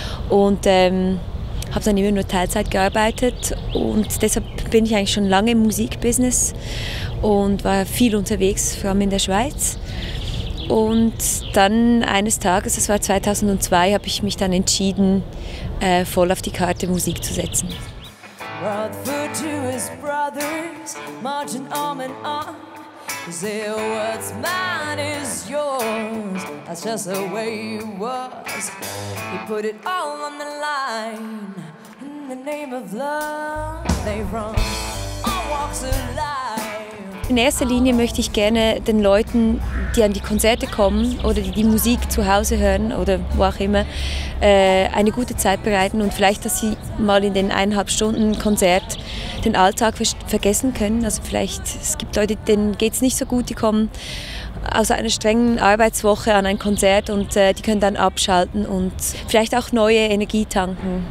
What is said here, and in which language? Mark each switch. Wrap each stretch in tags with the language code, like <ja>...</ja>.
<de>Und habe dann immer nur Teilzeit gearbeitet und deshalb bin ich eigentlich schon lange im Musikbusiness und war viel unterwegs, vor allem in der Schweiz. Und dann eines Tages, das war 2002, habe ich mich dann entschieden, voll auf die Karte Musik zu setzen.</de> <en>Rutherford to his brothers, marching arm in arm. Say what's mine is yours, that's just the way it was. He put it all on the line, in the name of love. They run all walks of life.</en> <de>In erster Linie möchte ich gerne den Leuten, die an die Konzerte kommen oder die Musik zu Hause hören oder wo auch immer, eine gute Zeit bereiten und vielleicht, dass sie mal in den 1,5 Stunden Konzert den Alltag vergessen können. Also vielleicht, es gibt Leute, denen geht es nicht so gut, die kommen aus einer strengen Arbeitswoche an ein Konzert und die können dann abschalten und vielleicht auch neue Energie tanken.</de>